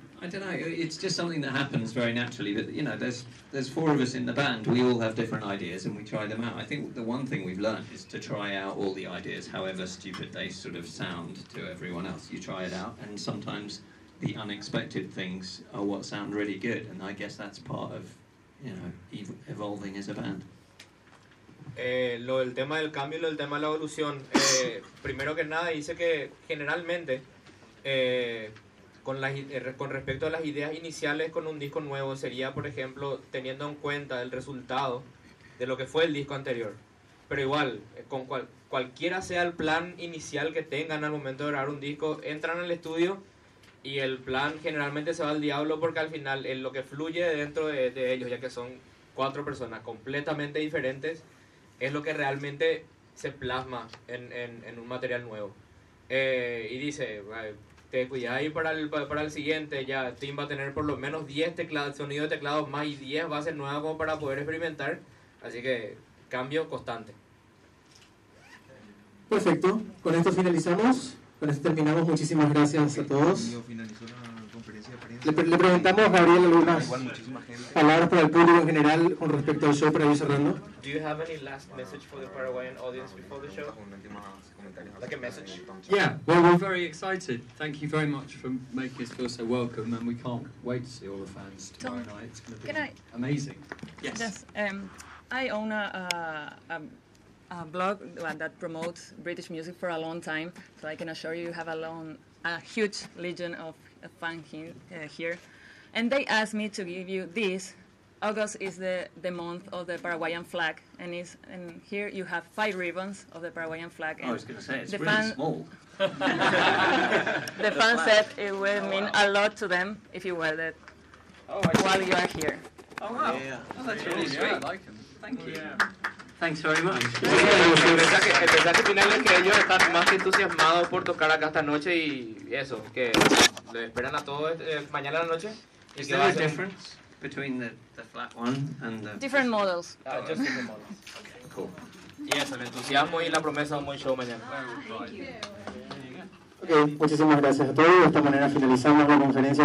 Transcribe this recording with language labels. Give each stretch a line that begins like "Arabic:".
English: I don't know, it's just something that happens very naturally, but, you know, there's four of us in the band, we all have different ideas and we try them out. I think the one thing we've learned is to try out all the ideas, however stupid they sort of sound to everyone else. You try it out, and sometimes the unexpected things are what sound really good, and I guess that's part of, you know, evolving as a band.
Spanish: Lo del tema del cambio y lo del tema de la evolución, primero que nada dice que generalmente con respecto a las ideas iniciales con un disco nuevo sería, por ejemplo, teniendo en cuenta el resultado de lo que fue el disco anterior. Pero igual, con cualquiera sea el plan inicial que tengan al momento de grabar un disco, entran al estudio y el plan generalmente se va al diablo porque al final es lo que fluye dentro de ellos, ya que son cuatro personas completamente diferentes, es lo que realmente se plasma en un material nuevo. Y dice, te cuidás ahí para el siguiente, ya Tim va a tener por lo menos 10 teclados, sonidos de teclados más y 10 bases nuevas como para poder experimentar. Así que, cambio constante. Perfecto, con esto finalizamos. Con esto terminamos, muchísimas gracias a todos. Yo finalizo la conferencia. Le preguntamos a Gabriel algunas palabras para el público en general con respecto al show para ir cerrando.
English: Do you have any last message for the Paraguayan audience before the show? Like a message? Yeah, well, we're very excited. Thank you very much for making us feel so welcome, and we can't wait to see all the fans tomorrow night. It's going to be amazing. Yes. I own a blog that promotes British music for a long time, so I can assure you, have a huge legion of fans here. And they asked me to give you this. August is the month of the Paraguayan flag, and here you have 5 ribbons of the Paraguayan flag. And I was going to say it's really fan, small. The fans said it would mean a lot to them if you wear it while you are here. Oh wow! Yeah. Oh, that's really sweet. Yeah, I like them. Thank you. Yeah. Thanks very much.
Spanish: El mensaje final es que ellos están más que entusiasmados por tocar acá esta noche y eso, que le esperan a todos mañana a la noche.
English: Is there a difference between the flat one and the... Different models. Just different models. Okay, cool. Yes,
Spanish: el entusiasmo y la promesa de un buen show mañana.
English: Thank you.
Spanish: Ok, muchísimas gracias a todos. De esta manera finalizamos la conferencia.